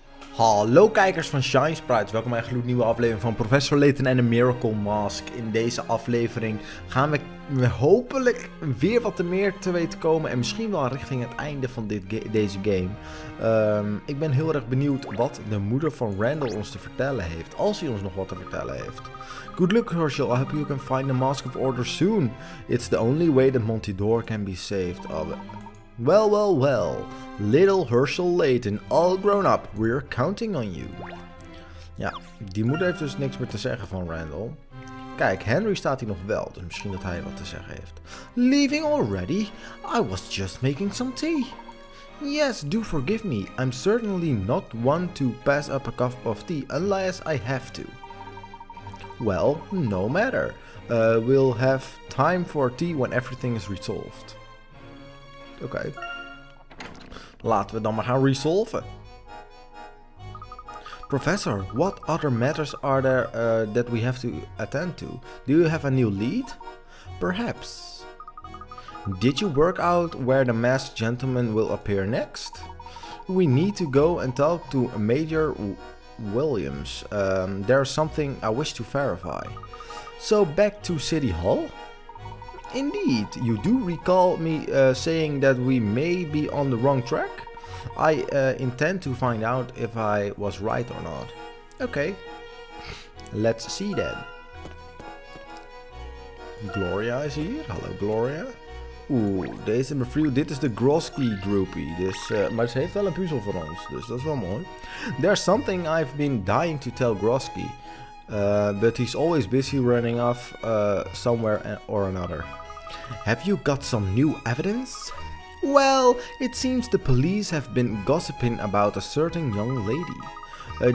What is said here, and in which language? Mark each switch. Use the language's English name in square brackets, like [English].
[Dutch] Hallo kijkers van ShineSprites, welkom bij een gloednieuwe aflevering van Professor Layton en de Miracle Mask. In deze aflevering gaan we hopelijk weer wat meer te weten komen en misschien wel richting het einde van deze game. Ik ben heel erg benieuwd wat de moeder van Randall ons te vertellen heeft, als hij ons nog wat te vertellen heeft. [English] Good luck, Herschel. I hope you can find the Mask of Order soon. It's the only way that Montidor can be saved. Well, well, well. Little Herschel Layton, all grown up. We're counting on you. [Dutch] Ja, die moeder heeft dus niks meer te zeggen van Randall. Kijk, Henry staat hier nog wel, dus misschien dat hij wat te zeggen heeft. [English] Leaving already? I was just making some tea. Yes, do forgive me. I'm certainly not one to pass up a cup of tea unless I have to. Well, no matter. We'll have time for tea when everything is resolved. [Dutch] Oké. Laten we dan maar gaan resolven. [English] Professor, what other matters are there that we have to attend to? Do you have a new lead? Perhaps. Did you work out where the masked gentleman will appear next? We need to go and talk to Major Williams. There's something I wish to verify. So back to City Hall? Indeed, you do recall me saying that we may be on the wrong track? I intend to find out if I was right or not. Okay, let's see then. [Dutch] Gloria is hier. Hallo Gloria. Oeh, deze mevrouw, dit is de Grosky groupie. Dus, maar ze heeft wel een puzzel voor ons, dus dat is wel mooi. [English] There's something I've been dying to tell Grosky. But he's always busy running off somewhere or another. Have you got some new evidence? Well, it seems the police have been gossiping about a certain young lady.